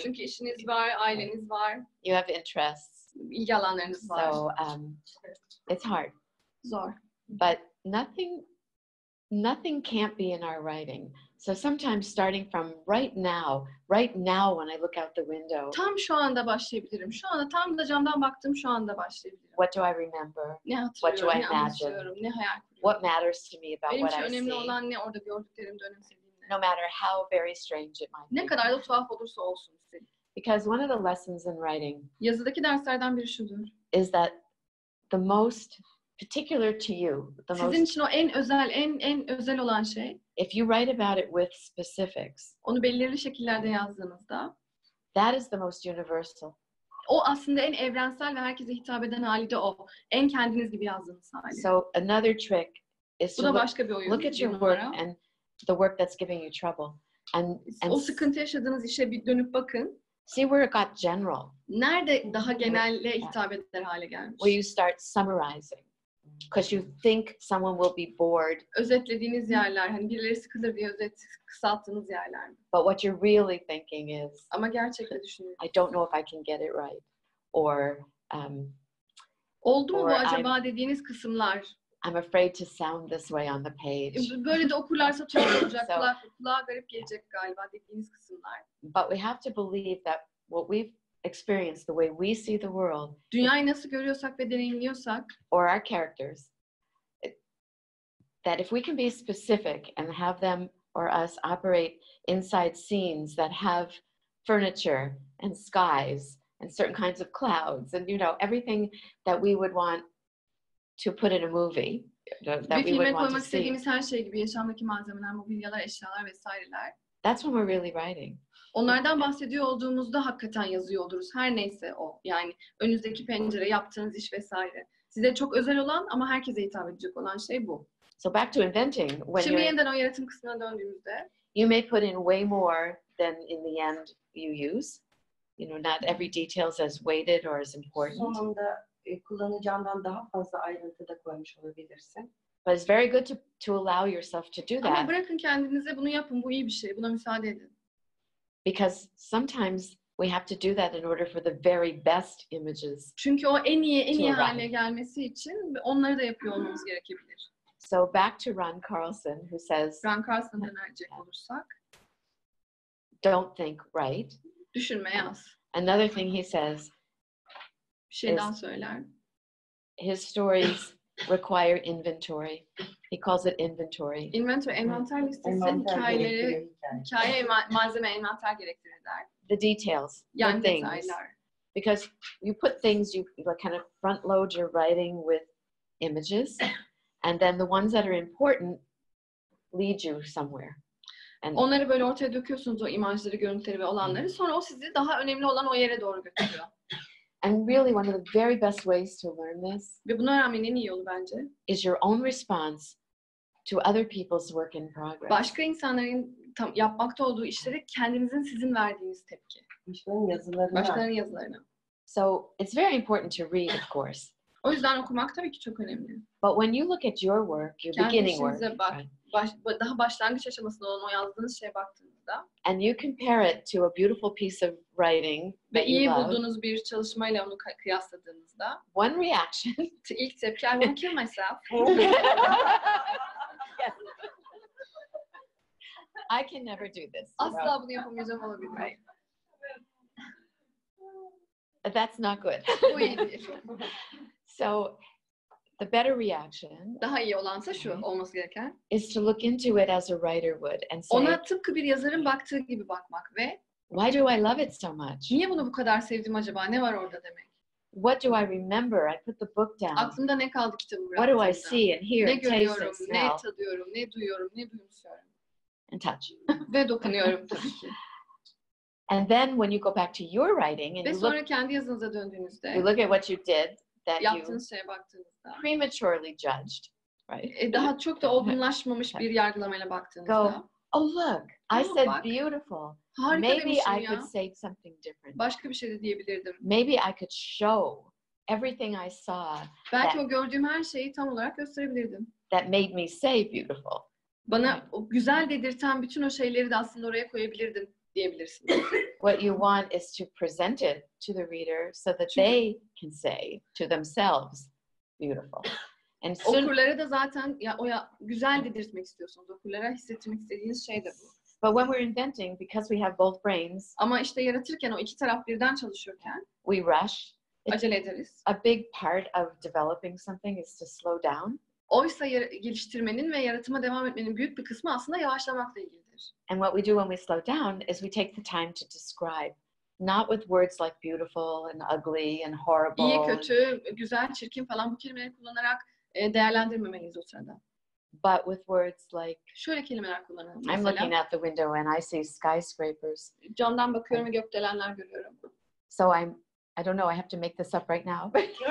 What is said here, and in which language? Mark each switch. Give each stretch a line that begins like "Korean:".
Turkish: Çünkü işiniz var, aileniz var.
English: You have interests.
Turkish: İlgi alanlarınız var.
English: So, it's hard.
Turkish: Zor.
English: But nothing can't be in our writing. So sometimes starting from right now when I look out the window.
Turkish: Tam şu anda başlayabilirim. Şu anda tam da camdan baktım şu anda başlayabilirim.
English: What do I remember?
Turkish: Ne hatırlıyorum?
English: What do I imagine?
Turkish: Ne hayal kuruyorum?
English: What matters to me about what I see?
Turkish: Benim için önemli olan ne orada gördüklerim, önemsediğim ne.
English: No matter how very strange it might be.
Turkish: Ne kadar da tuhaf olursa olsun size.
English: Because one of the lessons in writing.
Turkish: Yazıdaki derslerden biri şudur.
English: Is that the most particular to you, the
Turkish: sizin
English: most,
Turkish: için o en özel, en özel olan şey.
English: If you write about it with specifics,
Turkish: onu belirli şekillerde yazdığınızda,
English: that is the most universal.
Turkish: O aslında en evrensel ve herkese hitap eden hali de o. En kendiniz gibi yazdığınız hali.
English: So another trick is
Turkish: bu
English: to
Turkish: başka bir oyun
English: look at your work and the work that's giving you trouble. And
Turkish: o sıkıntı yaşadığınız işe bir dönüp bakın.
English: See where it got general.
Turkish: Nerede daha genelle hitap eder hale gelmiş?
English: Where you start summarizing. Because you think someone will be bored.
Turkish: Özetlediğiniz yerler, hani birileri sıkılır diye özet kısalttığınız yerler.
English: But what you're really thinking is.
Turkish: Ama gerçekten düşünün.
English: I don't know if I can get it right, or.
Turkish: Oldu mu bu acaba dediğiniz kısımlar?
English: I'm afraid to sound this way on the page.
Turkish: Böyle de okurlarsa tuhaf olacak, kulağa garip gelecek galiba dediğiniz kısımlar.
English: But we have to believe that what we've experience the way we see the world.
Turkish: Dünyayı nasıl görüyorsak ve deneyimliyorsak.
English: Or our characters. That if we can be specific and have them or us operate inside scenes that have furniture and skies and certain kinds of clouds and you know everything that we would want to put in a movie that we would want to see.
Turkish: Bir filme koymak istediğimiz her şey gibi yaşamdaki malzemeler, mobilyalar, eşyalar vesaireler.
English: That's when we're really writing.
Turkish: Onlardan bahsediyor olduğumuzda hakikaten yazıyor oluruz. Her neyse o. Yani önünüzdeki pencere, yaptığınız iş vesaire. Size çok özel olan ama herkese hitap edecek olan şey bu.
English: So back to inventing. When
Turkish: şimdi yeniden o yaratım kısmına döndüğümüzde.
English: You may put in way more than in the end you use. You know, not every detail is as weighted or as important.
Turkish: Sonunda kullanacağından daha fazla ayrıntı da koymuş olabilirsin.
English: But it's very good to allow yourself to do that.
Turkish: Ama bırakın kendinize bunu yapın. Bu iyi bir şey. Buna müsaade edin.
English: Because sometimes we have to do that in order for the very best images.
Turkish: Çünkü o en iyi, en iyi hale gelmesi için onları da yapıyor olmamız gerekebilir.
English: So back to Ron Carlson who says,
Turkish: Ron Carlson'a dönecek olursak,
English: don't think right.
Turkish: Düşünme, yaz.
English: Another thing he says,
Turkish: bir şey daha söyler.
English: His stories require inventory. He calls it inventory.
Turkish: Inventory, envanter listesi, hikayeleri, hikaye malzeme envanter gerektirir der.
English: The details,
Turkish: yani
English: the things.
Turkish: Detaylar.
English: Because you put things, you like kind of front load your writing with images, and then the ones that are important lead you somewhere. And
Turkish: onları böyle ortaya döküyorsunuz, o imajları, görüntüleri ve olanları. Sonra o sizi daha önemli olan o yere doğru götürüyor.
English: And really one of the very best ways to learn this
Turkish: ve bunu öğrenmenin en iyi yolu bence
English: is your own response to other people's work in progress.
Turkish: Başka insanların tam yapmakta olduğu işlere kendinizin sizin verdiğiniz tepki. Başkalarının yazılarına.
English: So it's very important to read, of course.
Turkish: O yüzden okumak tabii ki çok önemli.
English: But when you look at your work, your beginning work,
Turkish: daha başlangıç aşamasında olan o yazdığınız şeye baktığınızda,
English: and you compare it to a beautiful piece of writing,
Turkish: ve iyi bulduğunuz bir çalışmayla onu kıyasladığınızda,
English: one reaction,
Turkish: ilk tepki,
English: I will kill myself. I can never do this.
Turkish: Asla bunu yapamayacağım olabilir.
English: Right. That's not good.
Turkish: Bu iyi değil.
English: So the better reaction,
Turkish: daha iyi olansa şu olması gereken,
English: is to look into it as a writer would and say,
Turkish: ona tıpkı bir yazarın baktığı gibi bakmak ve
English: why do I love it so much?
Turkish: Niye bunu bu kadar sevdim acaba? Ne var orada demek?
English: What do I remember? I put the book down.
Turkish: Aklımda ne kaldı kitabı bıraktığımda?
English: What do I see and hear and taste and smell?
Turkish: Ne görüyorum, ne tadıyorum, ne duyuyorum, ne duymuşuyorum?
English: And touch.
Turkish: Ve dokunuyorum tabii ki.
English: And then when you go back to your writing and
Turkish: ve
English: you look,
Turkish: sonra kendi yazınıza döndüğünüzde,
English: you look at what you did, that
Turkish: yaptığınız
English: you
Turkish: şeye baktığınızda,
English: prematurely judged, right?
Turkish: Daha çok da olgunlaşmamış bir yargılamayla baktığınızda,
English: go, oh look, I said
Turkish: bak,
English: beautiful.
Turkish: Harika.
English: Maybe I
Turkish: ya
English: could say something different.
Turkish: Başka bir şey de diyebilirdim.
English: Maybe I could show everything I saw.
Turkish: Belki
English: that,
Turkish: o gördüğüm her şeyi tam olarak gösterebilirdim.
English: That made me say beautiful.
Turkish: Bana o güzel dedirten bütün o şeyleri de aslında oraya koyabilirdim.
English: What you want is to present it to the reader so that they can say to themselves, beautiful. And soon,
Turkish: okurlara da zaten ya o ya güzel dedirtmek istiyorsunuz. Okurlara hissettirmek istediğiniz şey de bu.
English: But when we're inventing, because we have both brains,
Turkish: ama işte yaratırken o iki taraf birden çalışırken,
English: we rush.
Turkish: Acele ederiz.
English: A big part of developing something is to slow down.
Turkish: Oysa geliştirmenin ve yaratıma devam etmenin büyük bir kısmı aslında yavaşlamakla ilgilidir.
English: And what we do when we slow down is we take the time to describe, not with words like beautiful and ugly and horrible.
Turkish: İyi, kötü, güzel, çirkin falan bu kelimeleri kullanarak değerlendirmemeliyiz o sırada.
English: But with words like,
Turkish: şöyle kelimeler kullanalım. Mesela,
English: I'm looking out the window and I see skyscrapers.
Turkish: Camdan bakıyorum ve gökdelenler görüyorum.
English: So I don't know, I have to make this up right now.